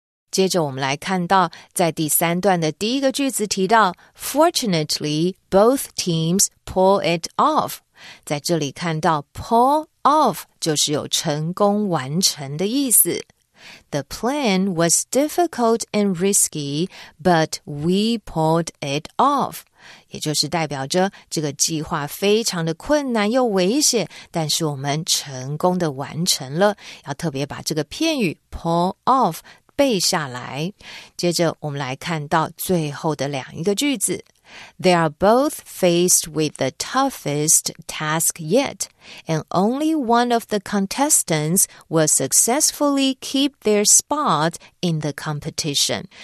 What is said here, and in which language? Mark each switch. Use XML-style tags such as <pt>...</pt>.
<zh>接着我们来看到在第三段的第一个句子提到</zh> <en>Fortunately, both teams pull it off.</en> <zh>在这里看到 pull off 就是有成功完成的意思。</zh> <en>The plan was difficult and risky, but we pulled it off.</en> <zh>也就是代表着这个计划非常的困难又危险，但是我们成功的完成了。要特别把这个片语 pull off 背下来。接着我们来看到最后的两一个句子。</zh> <en>They are both faced with the toughest task yet, and only one of the contestants will successfully keep their spot in the competition.</en>